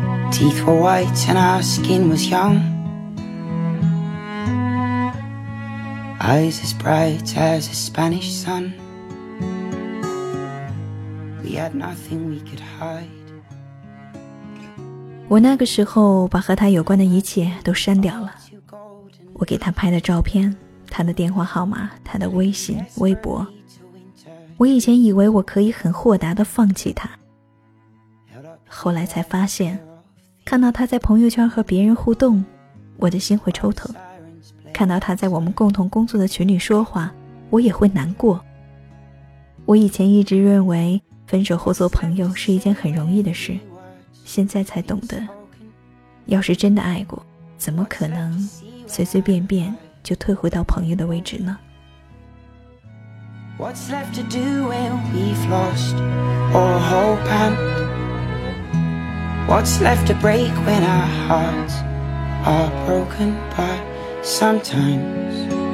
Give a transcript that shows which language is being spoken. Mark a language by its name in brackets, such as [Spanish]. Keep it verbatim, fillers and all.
[English] Teeth were white and our skin was young. Eyes as bright as a Spanish sun. We had nothing we could hide. [Chinese] 我那个时候把和他有关的一切都删掉了，我给他拍的照片，他的电话号码，他的微信、微博。我以前以为我可以很豁达地放弃他，后来才发现，看到他在朋友圈和别人互动，我的心会抽疼；看到他在我们共同工作的群里说话，我也会难过。我以前一直认为分手后做朋友是一件很容易的事，现在才懂得，要是真的爱过，怎么可能随随便便就退回到朋友的位置呢？ [English] What's left to do when we've lost all hope and What's left to break when our hearts are broken by sometimes